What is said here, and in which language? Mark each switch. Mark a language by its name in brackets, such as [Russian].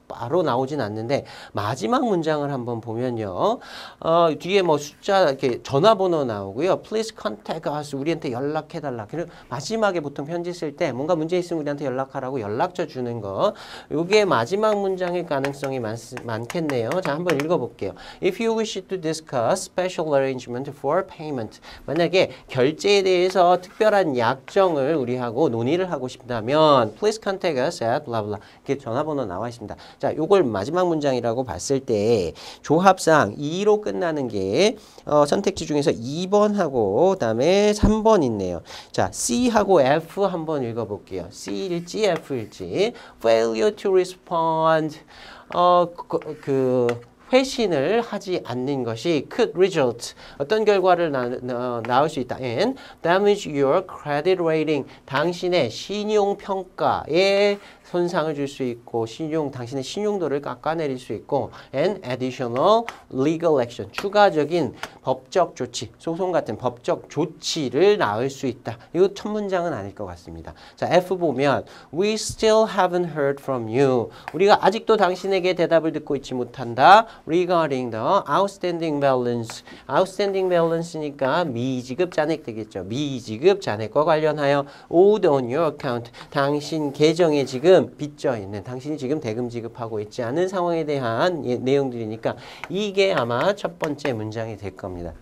[Korean] 바로 나오진 않는데 마지막 문장을 한번 보면요. 뒤에 뭐 숫자 이렇게 전화번호 나오고요. [English] Please contact us. [Korean] 우리한테 연락해달라. 그리고 마지막에 보통 편지 쓸 때 뭔가 문제 있으면 우리한테 연락하라고 연락처 주는 거. 이게 마지막 문장의 가능성이 많겠네요. 자, 한번 읽어볼게요. [English] If you wish to discuss special arrangement for payment. [Korean] 만약에 결제에 대해서 특별한 약정을 우리하고 논의를 하고 싶다면 [English] Please contact us at blah blah. [Korean] 이렇게 전화번호 나와 있습니다. 자, 이걸 마지막 문장이라고 봤을 때 조합상 2로 끝나는 게 선택지 중에서 2번하고 그다음에 3번 있네요. 자, C하고 F 한번 읽어볼게요. C일지 F일지 [English] Failure to respond [Korean] 그 회신을 하지 않는 것이 [English] could result [Korean] 어떤 결과를 나올 수 있다. [English] And damage your credit rating [Korean] 당신의 신용 평가에 손상을 줄 수 있고 당신의 신용도를 깎아내릴 수 있고 [English] and additional legal action [Korean] 추가적인 법적 조치 소송 같은 법적 조치를 낳을 수 있다. 이거 첫 문장은 아닐 것 같습니다. 자, F 보면 [English] We still haven't heard from you. [Korean] 우리가 아직도 당신에게 대답을 듣고 있지 못한다. [English] Regarding the outstanding balance. Outstanding balance니까 [Korean] 미지급 잔액 되겠죠. 미지급 잔액과 관련하여 [English] owed on your account. [Korean] 당신 계정에 지금 빚져 있는 당신이 지금 대금 지급하고 있지 않은 상황에 대한 내용들이니까 이게 아마 첫 번째 문장이 될 겁니다.